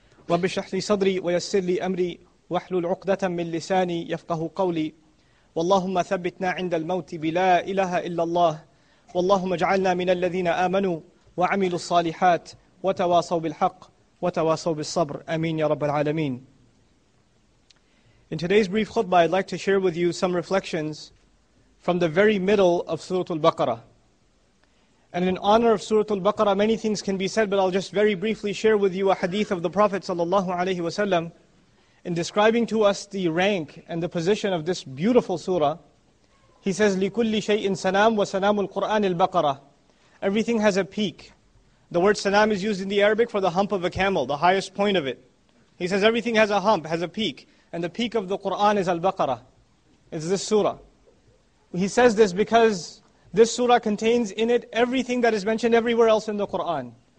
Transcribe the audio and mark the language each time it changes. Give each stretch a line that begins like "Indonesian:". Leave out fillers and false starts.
Arabic: رب اشرح لي صدري ويسر لي أمري واحلل عقدة من لساني يفقه قولي واللهم ثبتنا عند الموت بلا إله إلا الله واللهم اجعلنا من الذين آمنوا وعملوا الصالحات وتواصوا بالحق وتواصوا بالصبر آمين يا رب العالمين.
English: In today's brief khutbah, I'd like to share with you some reflections from the very middle of Surah Al-Baqarah. And in honor of Surah Al-Baqarah, many things can be said, but I'll just very briefly share with you a hadith of the Prophet sallallahu alaihi wasallam in describing to us the rank and the position of this beautiful surah. He says,
Arabic: لِكُلِّ شَيْءٍ سَنَام وَسَنَامُ الْقُرْآنِ الْبَقَرَةِ.
English: Everything has a peak. The word sanam is used in the Arabic for the hump of a camel, the highest point of it. He says everything has a hump, has a peak. And the peak of the Qur'an is Al-Baqarah. It's this surah. He says this because this surah contains in it everything that is mentioned everywhere else in the Qur'an.